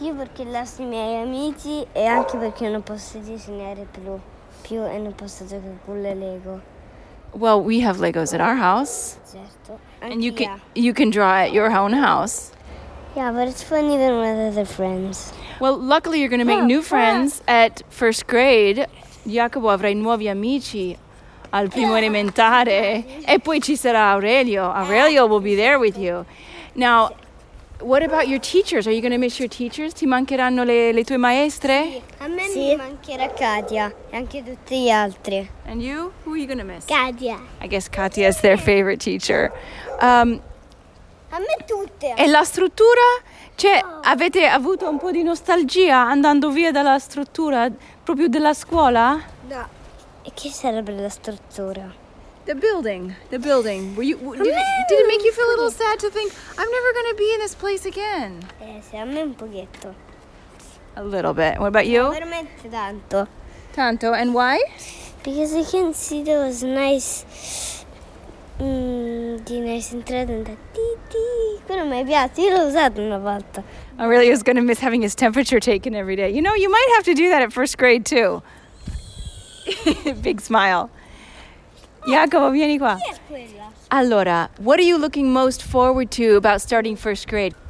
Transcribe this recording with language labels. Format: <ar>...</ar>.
<it>Io perché lascio i miei amici e anche perché non posso disegnare più e non posso giocare con le Lego.</it> <en>Well, we have Legos at our house.</en> <it>Certo.</it> <en>And you can draw at your own house. Yeah, but it's funny even with other friends. Well, luckily you're going to make new friends at first grade.</en> <it>Jacopo, avrai nuovi amici al primo elementare. E poi ci sarà Aurelio.</it> <en>Aurelio will be there with you. Now, what about your teachers? Are you going to miss your teachers?</en> <it>Ti mancheranno le tue maestre? A me mi mancherà Katia e anche tutti gli altri.</it> <en>And you? Who are you going to miss? Katia. I guess Katia is their favorite teacher.</en> <it>A me tutte. E la struttura? Cioè, avete avuto un po' di nostalgia andando via dalla struttura, proprio della scuola? No. E che sarebbe la struttura?</it> <en>The building. Did it make you feel a little sad to think, I'm never going to be in this place again?</en> <it>Sì, a me un pochetto.</it> <en>A little bit. What about you?</en> <it>Veramente tanto. Tanto.</it> <en>And why? Because I can see those nice...</en> <it>di nice entrata da titi. Quello mi piace, io l'ho usato una volta.</it> <en>Aurelio is going to miss having his temperature taken every day. You know, you might have to do that at first grade too. Big smile.</en> <it>Jacopo, vieni qua. Chi è quella? Allora,</it> <en>what are you looking most forward to about starting first grade?</en>